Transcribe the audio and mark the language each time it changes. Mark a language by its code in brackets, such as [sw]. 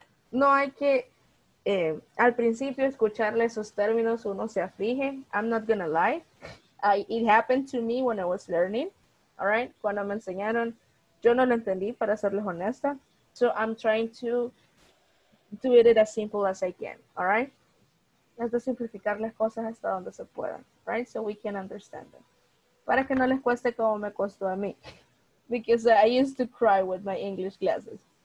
[es] No hay que, al principio escucharle esos términos uno se aflige. [en] I'm not gonna lie. It happened to me when I was learning. All right. [es] Cuando me enseñaron, yo no lo entendí, para serles honesta. [en] So I'm trying to do it as simple as I can. All right. [es] Es de simplificar las cosas hasta donde se puedan. Right. [en] So we can understand them. [es] Para que no les cueste como me costó a mí. [en] Because I used to cry with my English classes.